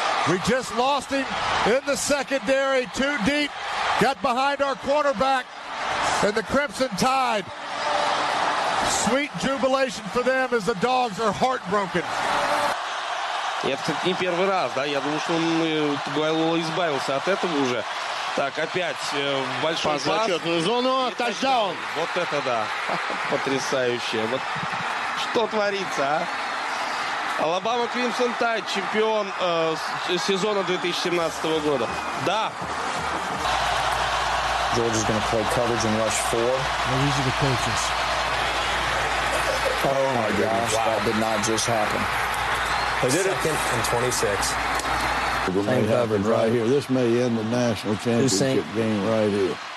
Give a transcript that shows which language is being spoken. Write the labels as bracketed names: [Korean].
[English] We just lost him in the secondary. Too deep. Got behind our quarterback. And the Crimson Tide. Sweet jubilation for them as the dogs are heartbroken. [Russian] Не первый раз, да? Я думал, что он Тагуайлоа избавился от этого уже. Так, опять большой пас. По зачетную зону, тачдаун. Вот это да. Потрясающе. Вот что творится, а? Алабама Кримсон Тайд, чемпион сезона 2017 года. Да. [English] George is going to play coverage and rush four. These are the coaches. Oh, my gosh. Wow. That did not just happen. Second and 26. Same coverage right here. This may end the national championship game right here.